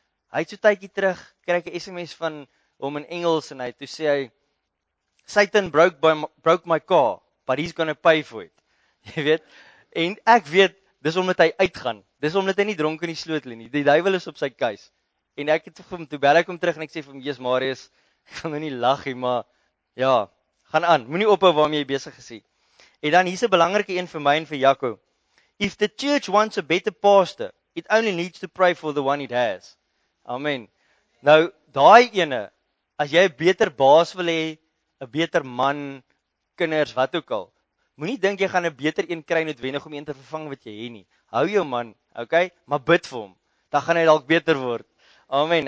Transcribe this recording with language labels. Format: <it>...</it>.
<af>Hy het so tydjie terug kry ek 'n SMS van hom in Engels en hy toe sê hy</af> <en>Satan broke my car, but he's going to pay for it.</en> <af>Jy weet? En ek weet dis omdat hy uitgaan. Dis omdat hy nie dronk in die sloot lê nie. Die duiwel is op sy keus. En ek het hom toe bel ek hom terug en ek sê vir hom Jesus Marius, ek gaan nou nie lag nie, maar ja, gaan aan. Moenie ophou waarmee jy besig is nie. En dan hier's 'n belangrike een vir my en vir Jaco.</af> <en>If the church wants a better pastor, it only needs to pray for the one it has. Amen.</en> <af>Nou, daai ene, as jy 'n beter baas wil hê, 'n beter man, kinders, wat ook al, moenie dink jy gaan 'n beter een kry noodwendig om een te vervang wat jy het nie. Hou jou man, okay? Maar bid vir hom. Dan gaan hy dalk beter word. Amen.</af>